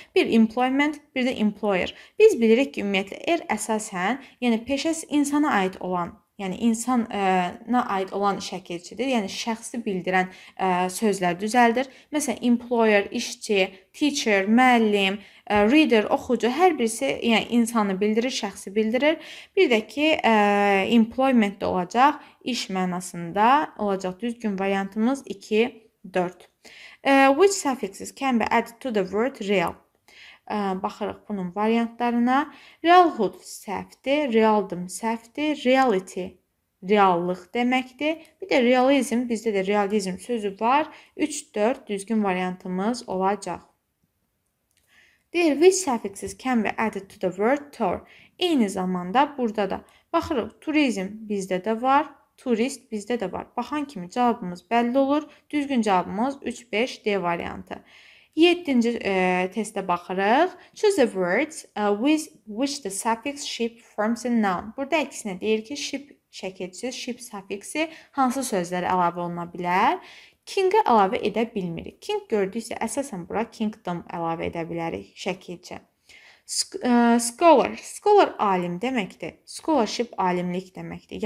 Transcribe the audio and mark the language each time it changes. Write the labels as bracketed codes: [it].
[az] Bir employment, bir də employer. Biz bilirik ki, ümumiyyətlə, əsasən, yəni peşə insana aid olan, yəni insana aid olan şəkilçidir, yəni şəxsi bildirən sözlər düzəldir. Məsələn, employer, işçi, teacher, müəllim, reader, oxucu, hər birisi yəni insanı bildirir, şəxsi bildirir. Bir də ki, employment də olacaq, iş mənasında olacaq düzgün variantımız 2, 4. [en] Which suffixes can be added to the word real? [az] Baxırıq bunun variantlarına. Realhood səhvdir, realdım səhvdir, reality reallıq deməkdir. Bir də realizm, bizdə də realizm sözü var. 3-4 düzgün variantımız olacaq. Deyir, [en] which suffixes can be added to the word tour? [az] Eyni zamanda burada da baxırıq, turizm bizdə də var, turist bizdə də var. Baxan kimi cavabımız bəlli olur. Düzgün cavabımız 3-5 D variantı. 7-ci testə baxırıq. [en] Choose the words with which the suffix ship forms a noun. [az] Burada əksinə deyir ki, ship şəkilçisi, ship suffixi hansı sözlərə əlavə oluna bilər? King-ə əlavə edə bilmirik. King gördüksə, əsasən bura kingdom əlavə edə bilərik şəkilçi. Scholar. Scholar alim deməkdir. Scholarship alimlik deməkdir.